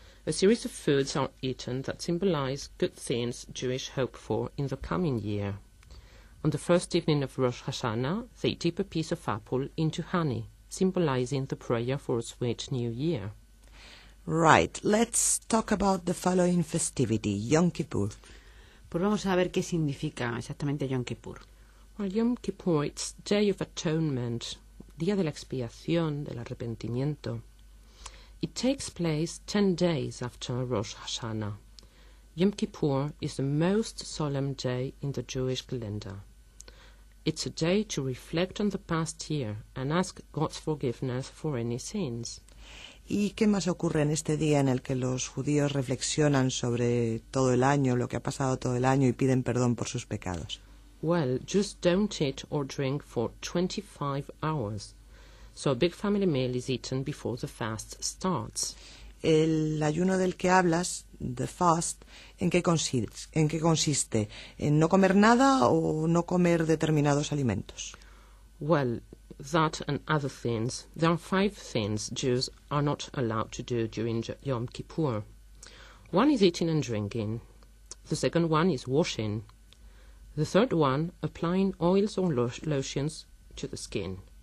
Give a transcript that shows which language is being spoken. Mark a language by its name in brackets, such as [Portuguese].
[English] A series of foods are eaten that symbolize good things Jewish hope for in the coming year. On the first evening of Rosh Hashanah, they dip a piece of apple into honey, symbolizing the prayer for a sweet new year. Right, let's talk about the following festivity, Yom Kippur. [Spanish] Pues vamos a ver qué significa exactamente Yom Kippur. [English] Well, Yom Kippur, it's Day of Atonement, [Spanish] Día de la Expiación, del Arrepentimiento. [English] It takes place 10 days after Rosh Hashanah. Yom Kippur is the most solemn day in the Jewish calendar. It's a day to reflect on the past year and ask God's forgiveness for any sins. [Spanish] ¿Y qué más ocurre en este día en el que los judíos reflexionan sobre todo el año, lo que ha pasado todo el año y piden perdón por sus pecados? [English] Well, Jews don't eat or drink for 25 hours, so a big family meal is eaten before the fast starts. [Spanish] El ayuno del que hablas, [English] the fast, [Spanish] ¿en qué consiste? ¿En no comer nada o no comer determinados alimentos? [English] Well, that and other things. There are 5 things Jews are not allowed to do during Yom Kippur. One is eating and drinking. The second one is washing. The third one, applying oils or lotions to the skin.